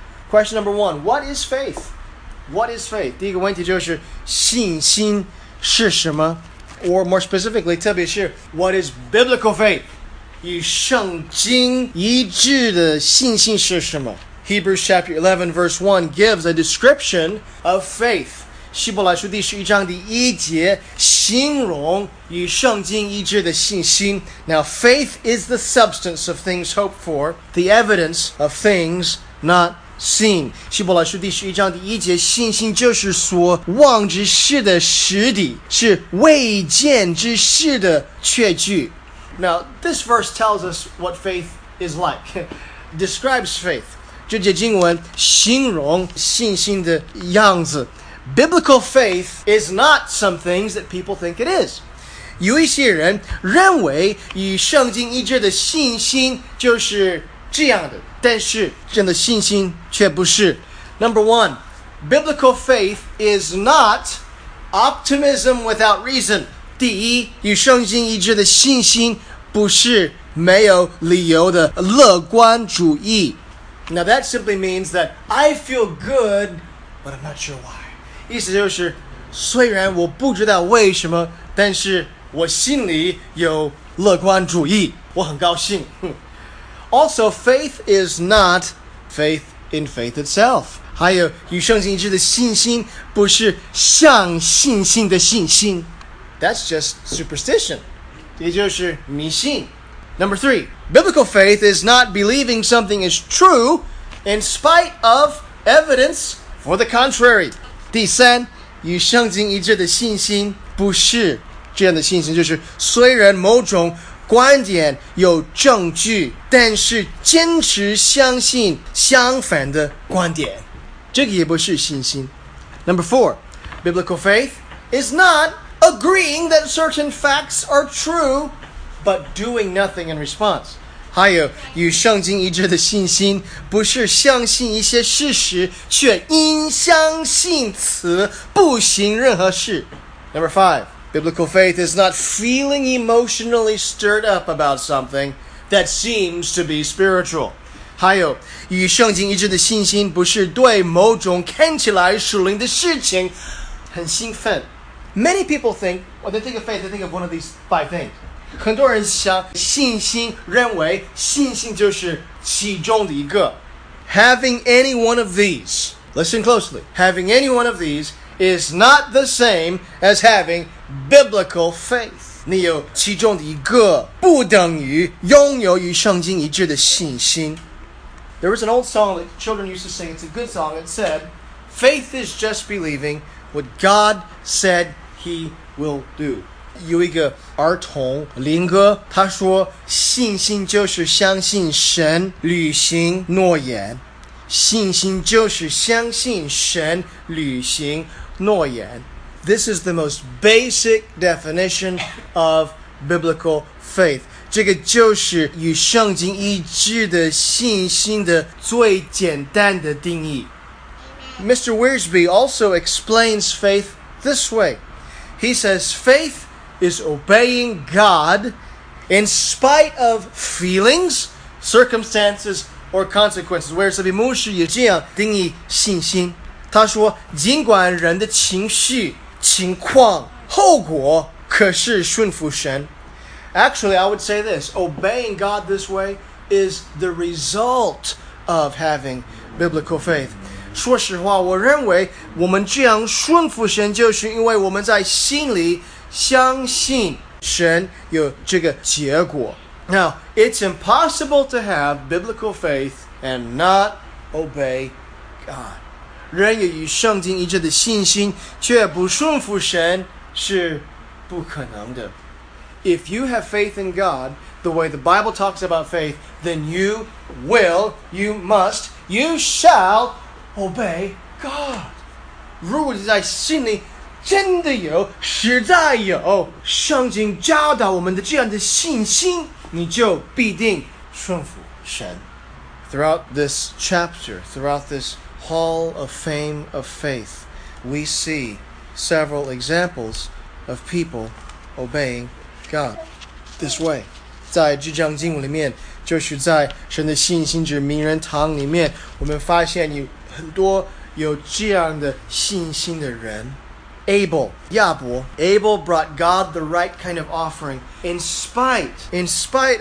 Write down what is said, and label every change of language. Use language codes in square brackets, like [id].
[en] Question number one, what is faith? What is faith? [zh] 第一个问题就是信心是什么? [en] Or more specifically, [zh] 特别是 [en] what is biblical faith? [zh] 与圣经一致的信心是什么？ [en] Hebrews chapter 11 verse 1 gives a description of faith. [zh] 希伯来书第十一章第一节形容与圣经一致的信心。 [en] Now faith is the substance of things hoped for, the evidence of things not seen. [zh] 希伯来书第十一章第一节，信心就是所望之事的实底，是未见之事的确据。 [en] Now, this verse tells us what faith is like. Describes faith. [zh] 这节经文形容信心的样子。 [en] Biblical faith is not some things that people think it is. [zh] 有一些人认为与圣经一致的信心就是这样的，但是真的信心却不是。 [en] Number one, biblical faith is not optimism without reason. [zh] 第一，与圣经一致的信心不是没有理由的乐观主义。 [en] Now that simply means that I feel good, but I'm not sure why. [zh] 意思就是，虽然我不知道为什么，但是我心里有乐观主义，我很高兴。 [en] Also, faith is not faith in faith itself. [zh] 还有与圣经一致的信心不是像信心的信心。 [en] That's just superstition. [zh] 也就是迷信。 [en] Number three, biblical faith is not believing something is true in spite of evidence for the contrary. [zh] 第三，与圣经一致的信心不是这样的信心，就是虽然某种观点有证据，但是坚持相信相反的观点，这个也不是信心。 [en] Number four, biblical faith is not agreeing that certain facts are true, but doing nothing in response. [zh] 还有与圣经一致的信心，不是相信一些事实，却因相信此不行任何事。 [en] Number five. Biblical faith is not feeling emotionally stirred up about something that seems to be spiritual. [zh] 还有与圣经一致的信心不是对某种看起来属灵的事情很兴奋。 [en] Many people think, when they think of faith, they think of one of these five things. [zh] 很多人想信心认为信心就是其中的一个。 [en] Having any one of these, listen closely, having any one of these,is not the same as having biblical faith. [zh] 你有其中的一个不等于拥有与圣经一致的信心。 [en] There was an old song that children used to sing. It's a good song. It said, faith is just believing what God said he will do. [zh] 有一个儿童林哥，他说信心就是相信神履行诺言。信心就是相信神履行诺言。 [en] This is the most basic definition of biblical faith. [zh] 这个就是与圣经一致的信心的最简单的定义。 [en] Mr. Wiersbe also explains faith this way. He says, faith is obeying God in spite of feelings, circumstances, or consequences. [zh] Wiersbe 牧师也这样定义信心。他说尽管人的情绪情况后果可是顺服神。 [en] Actually, I would say this, obeying God this way is the result of having biblical faith. [zh] 说实话，我认为我们这样顺服神就是因为我们在心里相信神有这个结果。 [en] Now, it's impossible to have biblical faith and not obey God. [zh] 人有与圣经一致的信心，却不顺服神，是不可能的。 [en] If you have faith in God, the way the Bible talks about faith, then you will, you must, you shall obey God. [zh] 如果你在心里真的有，实在有圣经教导我们的这样的信心，你就必定顺服神。 [en] Throughout this chapter, throughout this Hall of Fame of Faith, we see several examples of people obeying God this way. [zh] 在这章经文里面，就是在神的信心之名人堂里面，我们发现有很多有这样的信心的人。 [en] Abel, 亚伯 Abel brought God the right kind of offering in spite